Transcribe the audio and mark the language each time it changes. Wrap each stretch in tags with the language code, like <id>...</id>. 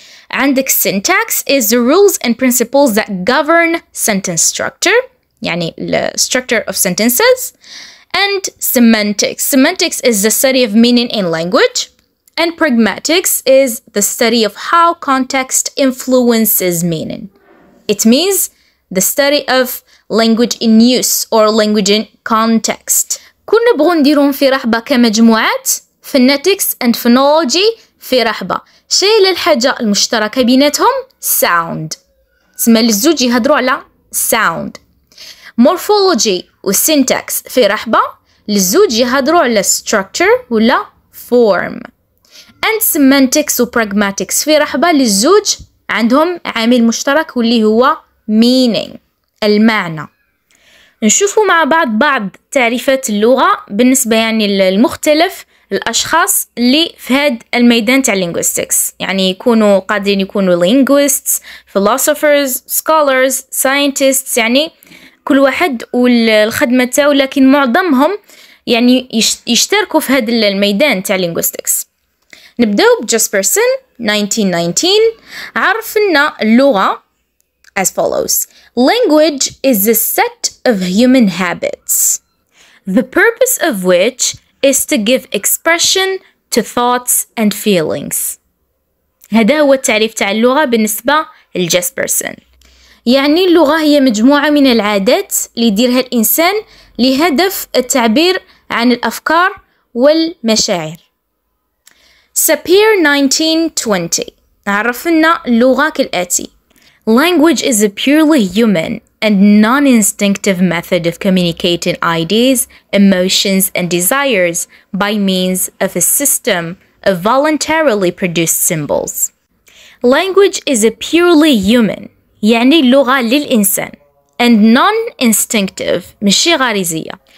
<en>عندك syntax is the rules and principles that govern sentence structure يعني the structure of sentences and semantics semantics is the study of meaning in language and pragmatics is the study of how context influences meaning it means The study of language in use or language in context.</en> <ar>كل نبغوا نديرهم في رحبة كمجموعات phonetics and phonology في رحبة. شيء للحاجة المشتركة بيناتهم sound. سمى للزوج يهدروا على sound. Morphology و syntax في رحبة. للزوج يهدروا على structure ولا form. And semantics و pragmatics في رحبة. للزوج عندهم عامل مشترك واللي هو meaning المعنى. نشوفوا مع بعض بعض تعريفات اللغة بالنسبة يعني للمختلف الأشخاص اللي في هاد الميدان تاع linguistics. يعني يكونوا قادرين يكونوا linguists, philosophers, scholars, scientists, يعني كل واحد والخدمة تاعه, لكن معظمهم يعني يشتركوا في هاد الميدان تاع linguistics. نبدأ بجسبرسون 1919 عرف لنا اللغة</ar> <en>as follows. Language is a set of human habits, the purpose of which is to give expression to thoughts and feelings.</en> <ar>هذا هو التعريف تاع اللغة بالنسبة لجسبرسون. يعني اللغة هي مجموعة من العادات اللي يديرها الإنسان لهدف التعبير عن الأفكار والمشاعر. Sapir 1920 عرفنا اللغة كالآتي.</ar> <en>Language is a purely human and non-instinctive method of communicating ideas, emotions, and desires by means of a system of voluntarily produced symbols. Language is a purely human,</en> <ar>يعني اللغة للإنسان,</ar> <en>and non-instinctive,</en> <ar>مشي غريزية.</ar>